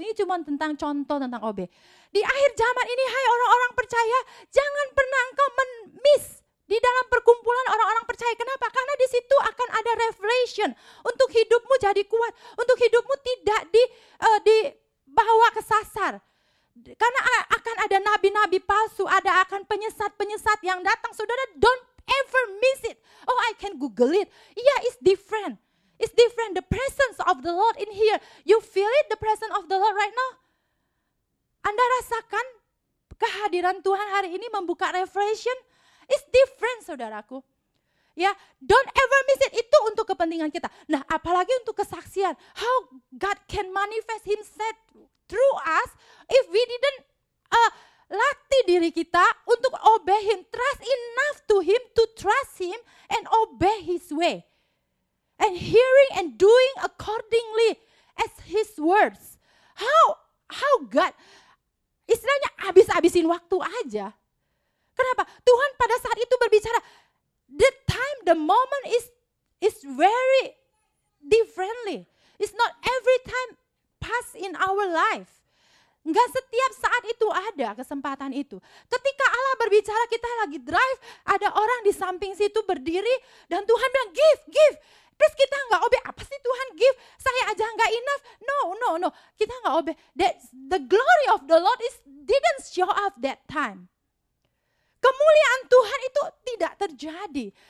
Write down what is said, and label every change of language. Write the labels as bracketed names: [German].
[Indonesian] Ini cuma tentang contoh tentang OB. Di akhir zaman ini, hai orang-orang percaya, jangan pernah engkau miss di dalam perkumpulan orang-orang percaya. Kenapa? Karena di situ akan ada revelation untuk hidupmu jadi kuat. Untuk hidupmu tidak dibawa ke sasar. Karena akan ada nabi-nabi palsu, ada akan penyesat-penyesat yang datang. [English] Saudara, don't ever miss it. Oh, I can Google it. Yeah, it's different. It's different, the presence of the Lord in here. You feel it, the presence of the Lord right now? [Indonesian] Anda rasakan kehadiran Tuhan hari ini membuka revelation? [English] It's different, [Indonesian] saudaraku. [English] Ya, don't ever miss it. [Indonesian] Itu untuk kepentingan kita. Nah, apalagi untuk kesaksian. [English] How God can manifest himself through us if we didn't [Indonesian] latih diri kita [English] untuk obey him, trust enough to him to trust him and obey his way. And hearing and doing accordingly as his words. How God, [Indonesian] istilahnya abis-abisin waktu aja. Kenapa? Tuhan pada saat itu berbicara, [English] the time, the moment is very differently. It's not every time pass in our life. [Indonesian] Enggak setiap saat itu ada kesempatan itu. Ketika Allah berbicara, kita lagi drive, ada orang di samping situ berdiri, dan Tuhan bilang, give. Terus kita enggak obey, apa sih Tuhan give? Saya aja enggak [English] enough. [Indonesian] No. Kita enggak obey. [English] The glory of the Lord is didn't show up that time. [Indonesian] Kemuliaan Tuhan itu tidak terjadi.